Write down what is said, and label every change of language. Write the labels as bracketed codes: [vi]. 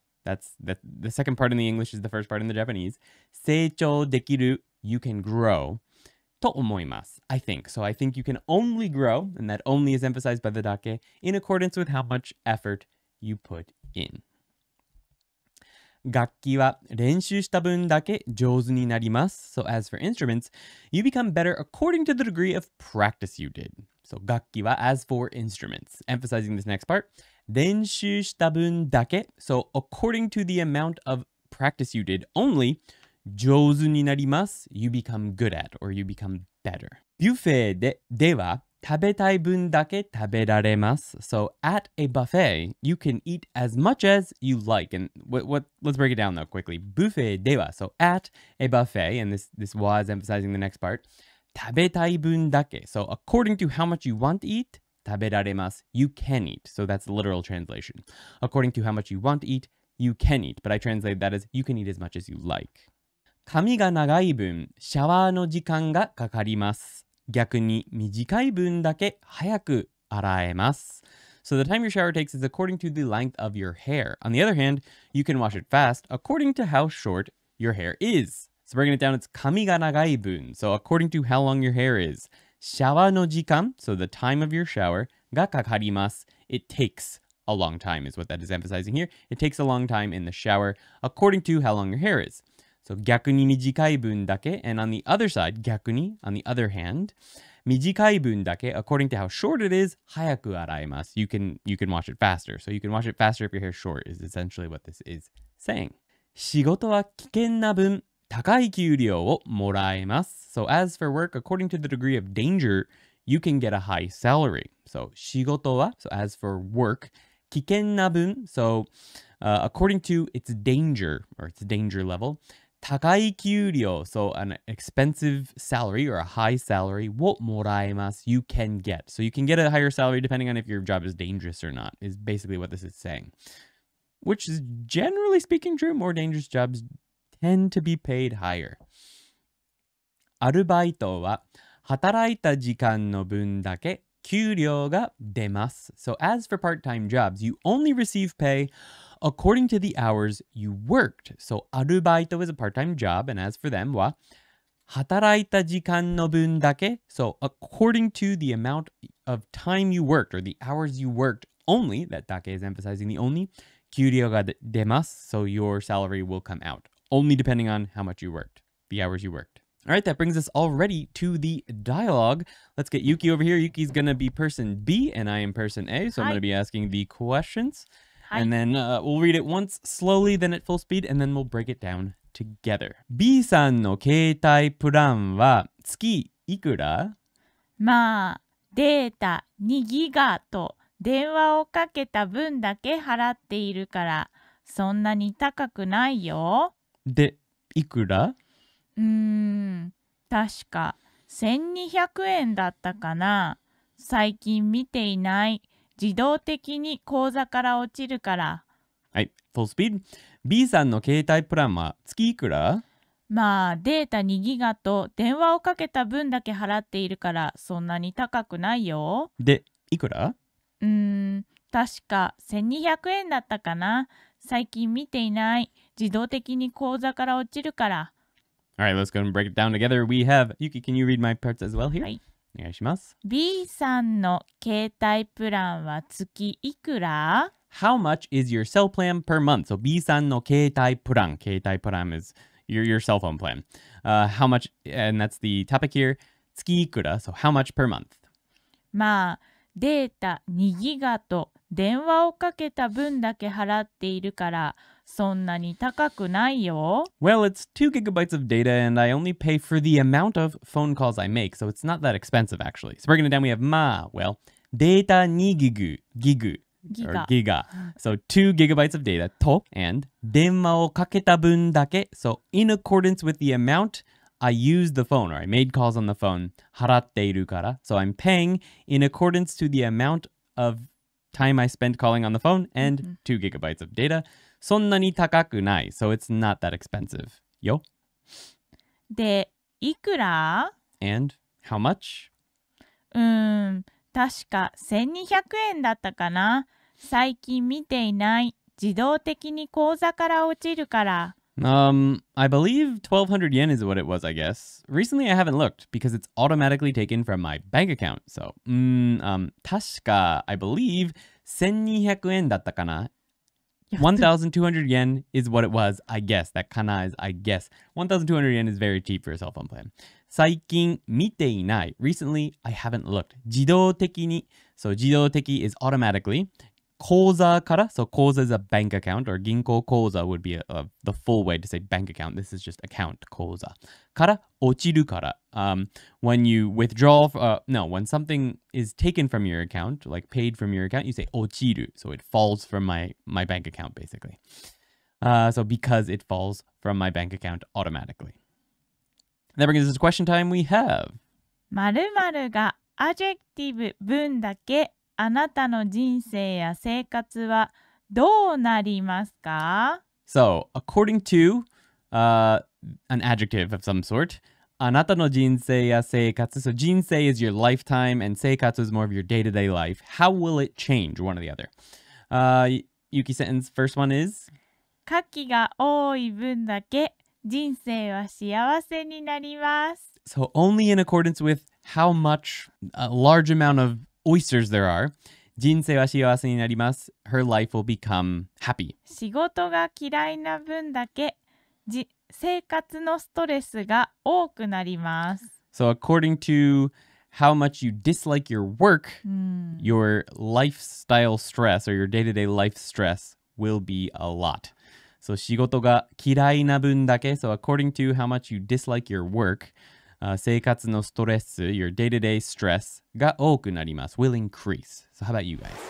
[en] That's the second part in the English is the first part in the Japanese. [ja] 成長できる, [en] you can grow. [ja] と思います, [en] I think. So I think you can only grow, and that only is emphasized by the dake, in accordance with how much effort you put in. [ja] 楽器は練習した分だけ上手になります. [en] So as for instruments, you become better according to the degree of practice you did. So [ja] 楽器は, [en] as for instruments. Emphasizing this next part. [ja] 練習した分だけ [en] So according to the amount of practice you did only [ja] 上手になります [en] You become good at or you become better [ja] ビュッフェでは食べたい分だけ食べられます [en] So at a buffet you can eat as much as you like and let's break it down though quickly [ja] ビュッフェでは [en] So at a buffet and this was emphasizing the next part [ja] 食べたい分だけ [en] So according to how much you want to eat [ja] 食べられます [en] You can eat. So that's the literal translation. According to how much you want to eat, you can eat. But I translate that as you can eat as much as you like. [ja] 髪が長い分、シャワーの時間がかかります。逆に短い分だけ早く洗えます。 [en] So the time your shower takes is according to the length of your hair. On the other hand, you can wash it fast according to how short your hair is. So breaking it down, it's [ja] 髪が長い分. [en] So according to how long your hair is. [ja] シャワーの時間, [en] so the time of your shower, [ja] がかかります. [en] It takes a long time, is what that is emphasizing here. It takes a long time in the shower, according to how long your hair is. [ja] So 逆に短い分だけ, [en] and on the other side, [ja] 逆に, [en] on the other hand, [ja] 短い分だけ, [en] according to how short it is, [ja] 早く洗います. [en] You can wash it faster. So you can wash it faster if your hair is short, is essentially what this is saying. [ja] 仕事は危険な分。高い給料をもらえます。 [en] So as for work, according to the degree of danger, you can get a high salary. So [ja] 仕事は, [en] so as for work, [ja] 危険な分, [en] so according to its danger, or its danger level, [ja] 高い給料, [en] so an expensive salary or a high salary, [ja] をもらえます, [en] you can get. So you can get a higher salary depending on if your job is dangerous or not, is basically what this is saying. Which is generally speaking true, more dangerous jobs... tend to be paid higher. [ja] アルバイトは働いた時間の分だけ給料が出ます。 [en] So as for part-time jobs, you only receive pay according to the hours you worked. So アルバイトis a part-time job, and as for them は [ja] 働いた時間の分だけ [en] So according to the amount of time you worked or the hours you worked only, that だけ is emphasizing the only, [ja] 給料が出ます [en] So your salary will come out. Only depending on how much you worked, the hours you worked. All right, that brings us already to the dialogue. Let's get Yuki over here. Yuki's gonna be person B, and I am person A, so I'm gonna be asking the questions. And then we'll read it once slowly, then at full speed, and then we'll break it down together. [ja] B さんの携帯プランは月いくら？まあ、データ2ギガと電話をかけた分だけ払っているから、そんなに高くないよ。で、いくら？確か1200円だったかな。最近見ていない。自動的に口座から落ちるから。はい、フォースピード。 B さんの携帯プランは月いくら？まあ、データ2ギガと電話をかけた分だけ払っているから、そんなに高くないよ。で、いくら？確か1200円だったかな。最近見ていない。自動的に口座から落ちるから。 [en] Alright, let's go and break it down together. We have... Yuki, can you read my parts as well here? [ja] はい。お願いします。 B さんの携帯プランは月いくら？ [en] How much is your cell plan per month? So B さんの携帯プラン。携帯プラン is your cell phone plan. How much... And that's the topic here. [ja] 月いくら？ [en] So how much per month? [ja] まあ、データ2ギガと電話をかけた分だけ払っているから、そんなに高くないよ。 [en] Well, it's 2 gigabytes of data and I only pay for the amount of phone calls I make, so it's not that expensive actually. So breaking it down, we have [ja] まあ, [en] well, [ja] データ2ギグ, ギグ, ギガ, [en] or ギガ.So 2 gigabytes of data, と, and [ja] 電話をかけた分だけ, [en] so in accordance with the amount I use the phone, or I made calls on the phone, [ja] 払っているから, [en] so I'm paying in accordance to the amount of time I spent calling on the phone, and 2 gigabytes of data. [ja] そんなに高くない。 [en] So it's not that expensive. よ。 [ja] で、いくら？ [en] And how much? [ja] 確か1200円だったかな。最近見ていない。自動的に口座から落ちるから。 [en] I believe 1200 yen is what it was, I guess. Recently, I haven't looked because it's automatically taken from my bank account. So, 確か、I believe [ja] 1200円だったかな。 [en] 1200 yen is what it was, I guess. That kana is, I guess. 1200 yen is very cheap for a cell phone plan. [ja] 最近見ていない. [en] Recently, I haven't looked. [ja] 自動的に. [en] So, 自動的 is automatically. [ja] 口座から. [en] So, 口座 is a bank account, or 銀行口座 would be the full way to say bank account. This is just account, 口座. [ja] から落ちるから. [en] When you withdraw, when something is taken from your account, like paid from your account, you say 落ちる. So it falls from my bank account, basically. So because it falls from my bank account automatically. That brings us to question time. We have... [ja] 〇〇がアジェクティブ分だけあなたの人生や生活はどうなりますか? [en] So, according to an adjective of some sort, [ja] あなたの人生や生活 [en] So, 人生 is your lifetime and 生活 is more of your day-to-day life. How will it change? One or the other. Yuki sentence, first one is... [ja] 書きが多い分だけ人生は幸せになります。 [en] So, only in accordance with how much, a large amount of oysters there are, [ja] 人生は幸せになります。 [en] Her life will become happy. [ja] 仕事が嫌いな分だけ生活のストレスが多くなります。 [en] So according to how much you dislike your work, your lifestyle stress or your day-to-day life stress will be a lot. So [ja] 仕事が嫌いな分だけ, [en] so according to how much you dislike your work, [ja] 生活のストレス, [en] your day-to-day stress [ja] が多くなります, [en] will increase. So how about you guys?